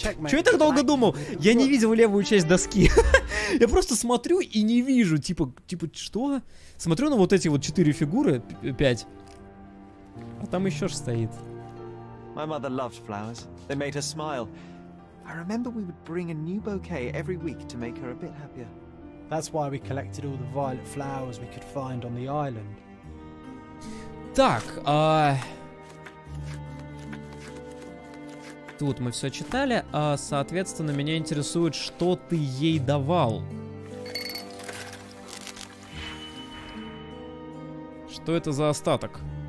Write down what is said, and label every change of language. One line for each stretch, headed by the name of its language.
Russian: Чё я так долго думал? Я не видел левую часть доски. Я просто смотрю и не вижу. Типа, что? Смотрю на вот эти вот четыре фигуры, пять. А там еще ж стоит.
English: My mother loved flowers. They made her smile. I remember we would bring a new bouquet every week to make her a bit happier. That's why we collected all the violet flowers we could find on the island.
Russian: Так, тут мы все читали, а, соответственно, меня интересует, что ты ей давал. Что это за остаток?